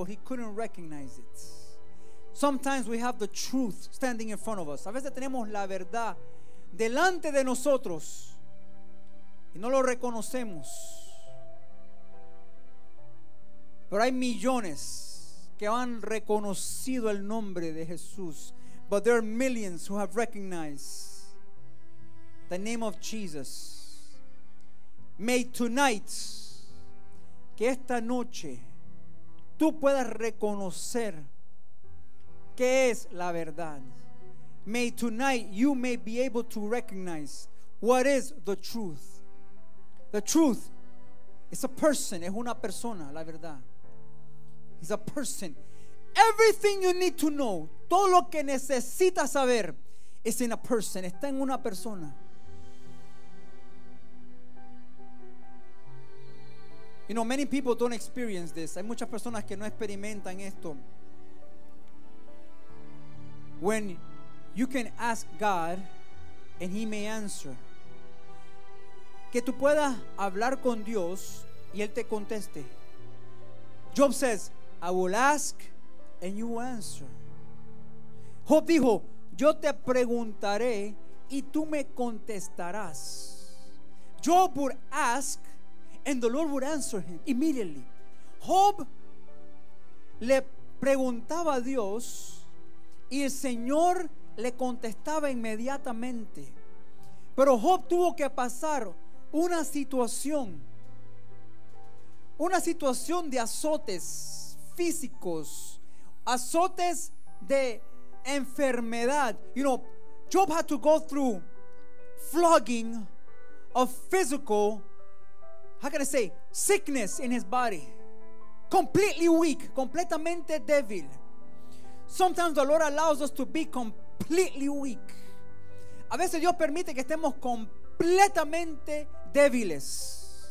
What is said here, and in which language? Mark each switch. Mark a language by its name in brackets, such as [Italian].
[English] But he couldn't recognize it. Sometimes we have the truth standing in front of us. [Spanish] A veces tenemos la verdad delante de nosotros y no lo reconocemos. Pero hay millones que han reconocido el nombre de Jesús. [English] But there are millions who have recognized the name of Jesus. May tonight, [Spanish] que esta noche tú puedas reconocer qué es la verdad. [English] May tonight you may be able to recognize what is the truth. The truth is a person, [Spanish] es una persona, la verdad. [English] He's a person. Everything you need to know, [Spanish] todo lo que necesitas saber, [English] is in a person. [Spanish] Está en una persona. [English] You know, many people don't experience this. [Spanish] Hay muchas personas que no experimentan esto. [English] When you can ask God and He may answer. [Spanish] Que tú puedas hablar con Dios y Él te conteste. [English] Job says, "I will ask and you answer." [Spanish] Job dijo, "Yo te preguntaré y tú me contestarás." [English] Job would ask and the Lord would answer him immediately. [Spanish] Job le preguntaba a Dios y el Señor le contestaba inmediatamente. Pero Job tuvo que pasar una situación de azotes físicos, azotes de enfermedad. [English] You know, Job had to go through flogging of physical, how can I say, sickness in his body. Completely weak, [Spanish] completamente débil. [English] Sometimes the Lord allows us to be completely weak. [Spanish] A veces Dios permite que estemos completamente débiles.